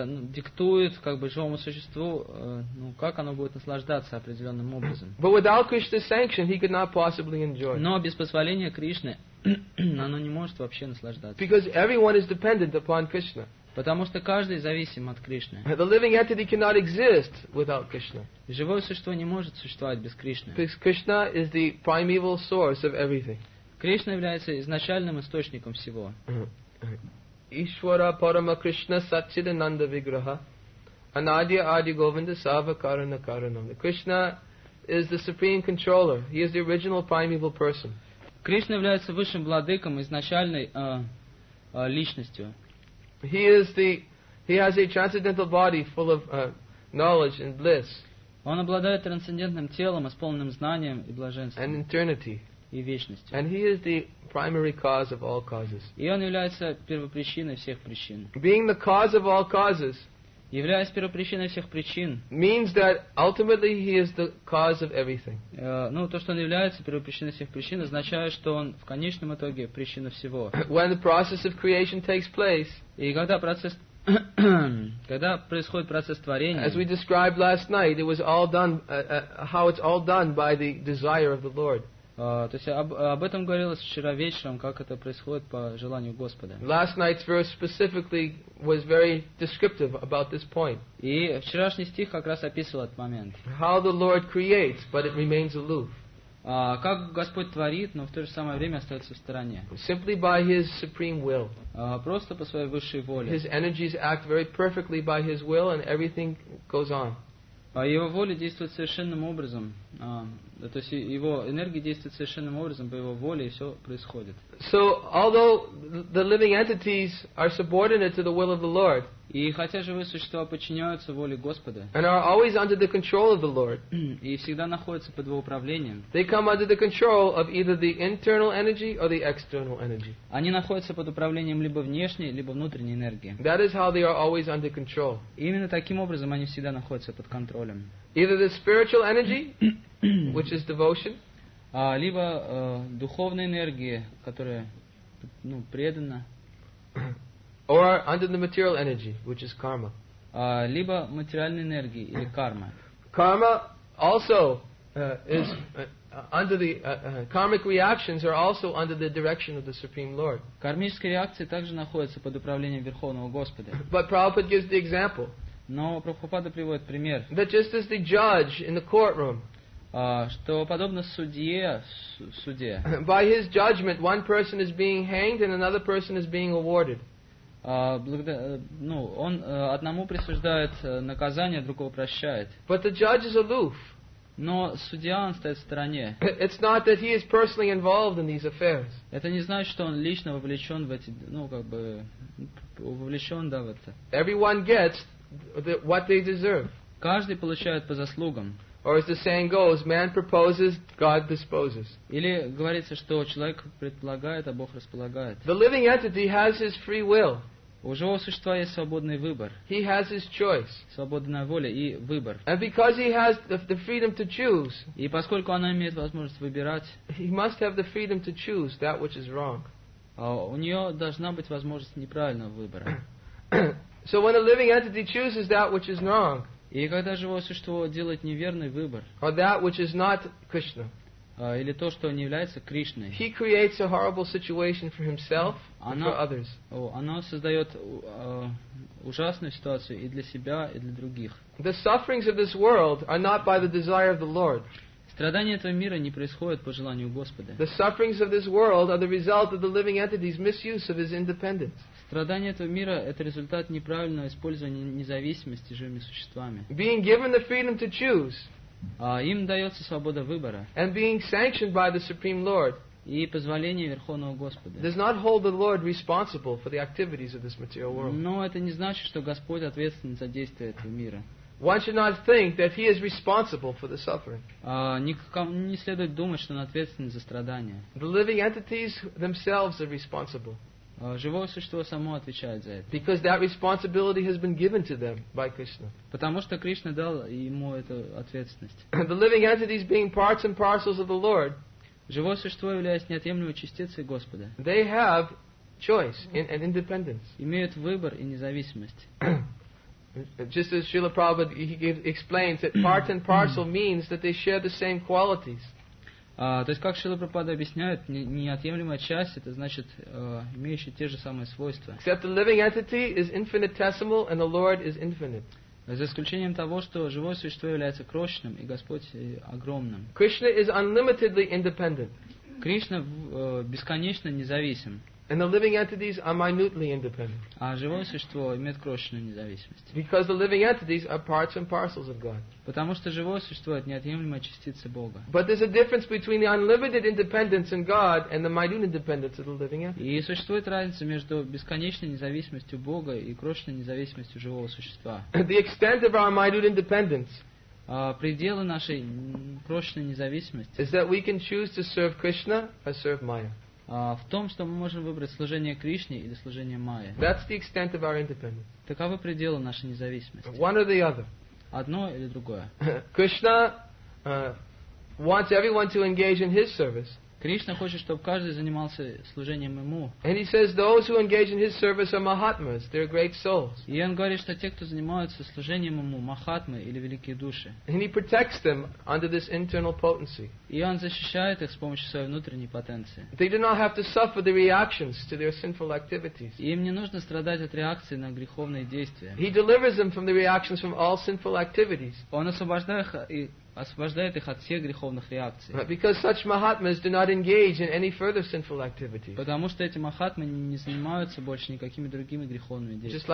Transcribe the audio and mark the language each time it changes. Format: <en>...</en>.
<ru>Диктует как бы живому существу, ну как оно будет наслаждаться определенным образом.</ru> <en>But without Krishna's sanction, he could not possibly enjoy.</en> <ru>Но без позволения Кришны оно не может вообще наслаждаться.</ru> <en>Because everyone is dependent upon Krishna.</en> <ru>Потому что каждый зависим от Кришны.</ru> <en>The living entity cannot exist without Krishna.</en> <ru>Живое существо не может существовать без Кришны.</ru> <en>Because Krishna is the primeval source of everything.</en> <ru>Кришна является изначальным источником всего.</ru> <sa>Ishvara Parama Krishna Satchidananda Vigraha Anadya Adi Govinda Sava Karana Karanam.</sa> <en>Krishna is the supreme controller. He is the original primeval person.</en> <ru>Кришна является высшим владыком, изначальной личностью.</ru> <en>He has a transcendental body full of knowledge and bliss.</en> <ru>Он обладает трансцендентным телом, исполненным знанием и блаженством.</ru> <en>And eternity.</en> <ru>И вечностью.</ru> <en>And he is the primary cause of all causes.</en> <ru>И он является первопричиной всех причин.</ru> <en>Being the cause of all causes,</en> <ru>являясь первопричиной всех причин,</ru> <en>means that ultimately he is the cause of everything.</en> <ru>Ну, то, что он является первопричиной всех причин, означает, что он в конечном итоге причина всего.</ru> <en>When the process of creation takes place,</en> <ru>и когда процесс, когда происходит процесс творения,</ru> <en>as we described last night, it was all done, how it's all done by the desire of the Lord.</en> <ru>То есть об этом говорилось вчера вечером, как это происходит по желанию Господа.</ru> <en>Last night's verse specifically was very descriptive about this point.</en> <ru>И вчерашний стих как раз описывал этот момент.</ru> <en>How the Lord creates, but it remains aloof.</en> <ru>Как Господь творит, но в то же самое время остается в стороне.</ru> <en>Simply by His supreme will.</en> <ru>Просто по своей высшей воле.</ru> <en>His energies act very perfectly by His will, and everything goes on.</en> <ru>Его воля действует совершенным образом. То есть его энергия действует совершенным образом по его воле, и все происходит.</ru> <en>So, although the living entities are subordinate to the will of the Lord,</en> <ru>и хотя живые существа подчиняются воле Господа,</ru> <en>and are always under the control of the Lord,</en> <ru>и всегда находятся под его управлением,</ru> <en>they come under the control of either the internal energy or the external energy.</en> <ru>Они находятся под управлением либо внешней, либо внутренней энергии.</ru> <en>That is how they are always under control.</en> <ru>Именно таким образом они всегда находятся под контролем.</ru> <en>Either the spiritual energy, which is devotion,</en> <ru>либо духовная энергия, которая, ну, предана,</ru> <en>or under the material energy, which is karma,</en> <ru>либо материальная энергия или карма.</ru> <en>Karma also is under the karmic reactions are also under the direction of the Supreme Lord.</en> <ru>Кармические реакции также находятся под управлением Верховного Господа.</ru> <en>But Prabhupada gives the example.</en> <ru>Но Прабхупада приводит пример.</ru> <en>That just as the judge in the courtroom,</en> <ru>что подобно судье, суде.</ru> <en>By his judgment, one person is being hanged and another person is being awarded.</en> <ru>Он одному присуждает наказание, другого прощает.</ru> <en>But the judge is aloof.</en> <ru>Но судья, он стоит в стороне.</ru> <en>It's not that he is personally involved in these affairs.</en> <ru>Это не значит, что он лично вовлечен в эти, ну, как бы, вовлечен, да, в это.</ru> <en>Everyone gets what they deserve.</en> <ru>Каждый получает по заслугам.</ru> <en>Or as the saying goes, man proposes, God disposes.</en> <ru>Или говорится, что человек предполагает, а Бог располагает.</ru> <en>The living entity has his free will.</en> <ru>У живого существа есть свободный выбор.</ru> <en>He has his choice.</en> <ru>Свободная воля и выбор.</ru> <en>And because he has the freedom to choose,</en> <ru>и поскольку она имеет возможность выбирать,</ru> <en>he must have the freedom to choose that which is wrong.</en> <ru>У нее должна быть возможность неправильного выбора.</ru> <en>So when a living entity chooses that which is wrong,</en> <ru>и когда живое существо делает неверный выбор,</ru> <en>or that which is not Krishna,</en> <ru>или то, что не является Кришной.</ru> <en>He creates a horrible situation for himself and for others.</en> <ru>Она создает ужасную ситуацию и для себя, и для других.</ru> <en>The sufferings of this world are not by the desire of the Lord.</en> <ru>Страдания этого мира не происходят по желанию Господа.</ru> <en>The sufferings of this world are the result of the living entity's misuse of his independence.</en> <ru>Страдания этого мира – это результат неправильного использования независимости живыми существами.</ru> <en>Being given the freedom to choose.</en> <ru>Им дается свобода выбора.</ru> <en>And being sanctioned by the Supreme Lord.</en> <ru>И позволение Верховного Господа.</ru> <en>Does not hold the Lord responsible for the activities of this material world.</en> <ru>Но это не значит, что Господь ответственен за действия этого мира.</ru> <en>One should not think that he is responsible for the suffering.</en> <ru>Не следует думать, что он ответственен за страдания.</ru> <en>The living entities themselves are responsible.</en> <ru>Живое существо само отвечает за это.</ru> <en>Because that responsibility has been given to them by Krishna.</en> <ru>Потому что Кришна дал ему эту ответственность.</ru> <en>The living entities being parts and parcels of the Lord.</en> <ru>Живое существо, являясь неотъемлемой частицей Господа.</ru> <en>They have choice and independence.</en> <ru>Имеют выбор и независимость.</ru> <en>Just as Srila Prabhupada explains that part and parcel means that they share the same qualities.</en> <ru>То есть, как Шрила Прабхупада объясняет, неотъемлемая часть – это значит, имеющая те же самые свойства.</ru> <en>Except the living entity is infinitesimal and the Lord is infinite.</en> <ru>За исключением того, что живое существо является крошечным, и Господь огромным.</ru> <en>Krishna is unlimitedly independent.</en> <ru>Кришна бесконечно независим.</ru> <en>And the living entities are minutely independent.</en> <ru>А живое существо имеет крошечную независимость.</ru> <en>Because the living entities are parts and parcels of God.</en> <ru>Потому что живое существо – это неотъемлемая частица Бога.</ru> <en>But there's a difference between the unlimited independence in God and the minute independence of the living entity.</en> <ru>И существует разница между бесконечной независимостью Бога и крошечной независимостью живого существа.</ru> <en>The extent of our minute independence.</en> <ru>Пределы нашей крошечной независимости.</ru> <en>Is that we can choose to serve Krishna or serve Maya.</en> <ru>В том, что мы можем выбрать служение Кришне или служение Майе.</ru> <en>That's the extent of our independence.</en> <ru>Таковы пределы нашей независимости.</ru> <en>One or the other.</en> <ru>Одно или другое.</ru> <en>Krishna wants everyone to engage in his service.</en> <ru>Кришна хочет, чтобы каждый занимался служением ему.</ru> <en>And he says those who engage in his service are mahatmas, they're great souls.</en> <ru>И он говорит, что те, кто занимаются служением ему, махатмы или великие души.</ru> <en>And he protects them under this internal potency.</en> <ru>И он защищает их с помощью своей внутренней потенции.</ru> <en>They do not have to suffer the reactions to their sinful activities.</en> <ru>Им не нужно страдать от реакции на греховные действия.</ru> <en>He delivers them from the reactions from all sinful activities.</en> <ru>Он освобождает их и освобождает их от всех греховных реакций.</ru> <en>Because such mahatmas do not engage in any further sinful activities.</en> <ru>Потому что эти махатмы не занимаются больше никакими другими греховными действиями.</ru>